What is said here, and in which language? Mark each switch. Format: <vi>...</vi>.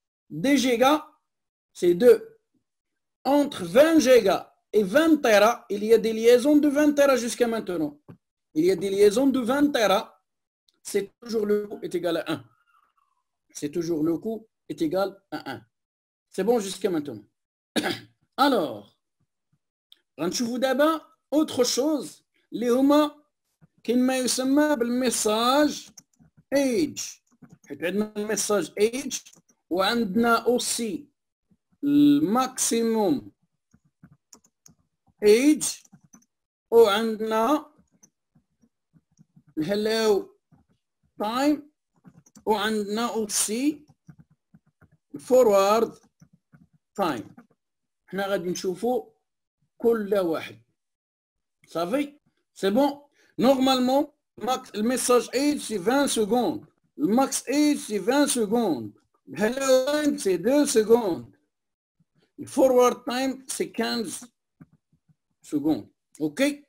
<fr>10 gigas, c'est 2. Entre 20 gigas et 20 tera, il y a des liaisons de 20 tera jusqu'à maintenant. Il y a des liaisons de 20 tera, c'est toujours le coût est égal à 1. C'est toujours le coût est égal à 1. C'est bon jusqu'à maintenant. Alors, rendez-vous d'abord, autre chose.</fr> <ar>اللي هما كاين ما يسمى بالميساج ايج. حيت عندنا الميساج ايج وعندنا اوسي الماكسيموم ايج وعندنا الهلاو تايم وعندنا اوسي الفورورد تايم. حنا غادي نشوفو كل واحد صافي.</ar> <fr>C'est bon. Normalement, max, le message age, c'est 20 secondes. Le max age, c'est 20 secondes. Le hello time, c'est 2 secondes. Le forward time, c'est 15 secondes. OK?</fr>